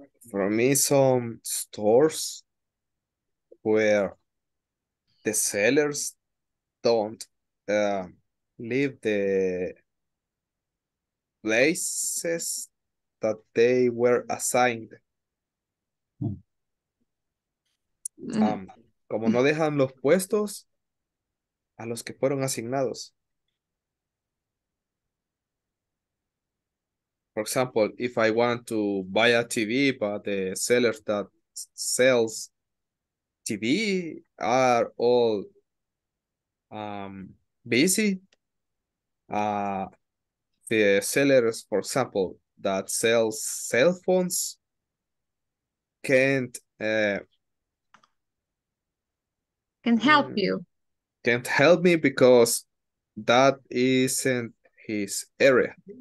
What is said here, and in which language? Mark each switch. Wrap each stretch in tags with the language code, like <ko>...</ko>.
<en>For me, some stores where the sellers don't leave the places that they were assigned. Mm-hmm.</en> <es>Como no dejan los puestos a los que fueron asignados.</es> <en>For example, if I want to buy a TV, but the seller that sells TV are all busy. The sellers, for example, that sells cell phones can't help me because that isn't his area.</en>